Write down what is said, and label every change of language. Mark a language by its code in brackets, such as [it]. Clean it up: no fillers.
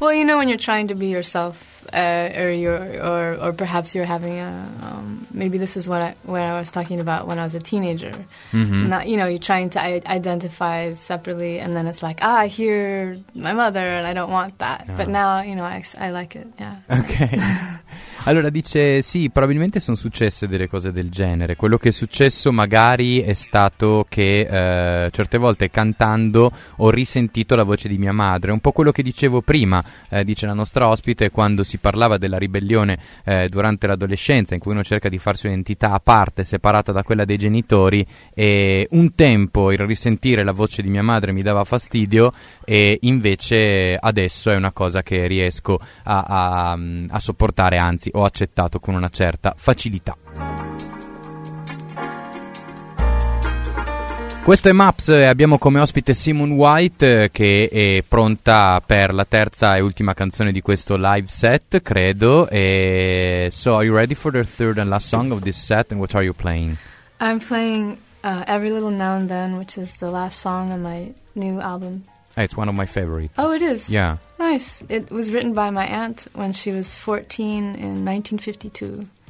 [en] well, you know, when you're trying to be yourself or perhaps you're having a maybe this is what I was talking about when I was a teenager. Mm-hmm. Not, you know, you're trying to identify separately and then it's like, I hear my mother and I don't want that. Oh. But now, you know, I like it. Yeah. Okay. [it] Allora dice, sì, probabilmente sono successe delle cose del genere. Quello che è successo magari è stato che certe volte cantando ho risentito la voce di mia madre. Un po' quello che dicevo prima, dice la nostra ospite, quando si parlava della ribellione durante l'adolescenza, in cui uno cerca di farsi un'entità a parte, separata da quella dei genitori, e un tempo il risentire la voce di mia madre mi dava fastidio, e invece adesso è una cosa che riesco a sopportare, anzi ho accettato con una certa facilità. Questo è MAPS e abbiamo come ospite Simon White, che è pronta per la terza e ultima canzone di questo live set, credo. [en] E so, are you ready for the third and last song of this set, and what are you playing? I'm playing Every Little Now and Then, which is the last song on my new album. It's one of my favorites. Oh, it is? Yeah. Nice. It was written by my aunt when she was 14 in 1952.